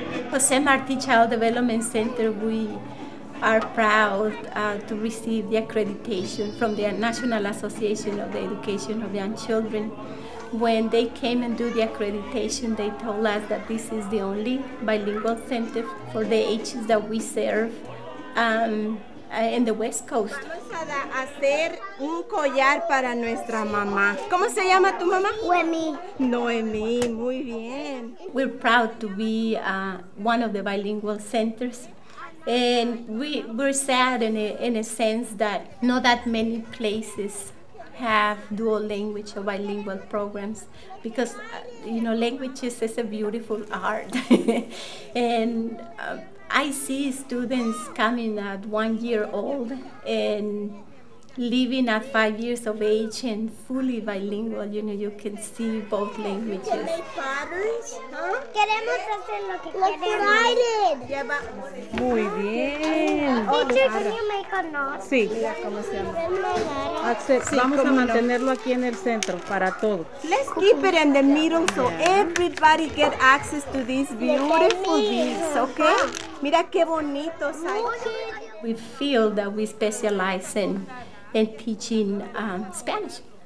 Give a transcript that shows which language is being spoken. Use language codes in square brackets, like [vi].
[en] Jose Marti Child Development Center, we are proud to receive the accreditation from the National Association of the Education of Young Children. When they came and do the accreditation, they told us that this is the only bilingual center for the ages that we serve in the West Coast. [es] Vamos a hacer un collar para nuestra mamá. ¿Cómo se llama tu mamá? Noemi. Noemi, muy bien. [en] We're proud to be one of the bilingual centers. And we're sad in a sense that not that many places have dual language or bilingual programs because, you know, languages is a beautiful art. And I see students coming at 1 year old and living at 5 years of age and fully bilingual, you know, you can see both languages. Can they make patterns? Huh? [es] Queremos hacer lo que queremos. [en] Let's ride it. Yeah, but... [es] Muy bien. [en] Teacher, can you make a knot? [es] Sí. Mira cómo se llama. Sí, vamos a mantenerlo aquí en el centro para todos. [en] Let's keep it in the middle so everybody get access to these beautiful beads, okay? [es] Mira qué bonitos hay. [en] We feel that we specialize in teaching Spanish.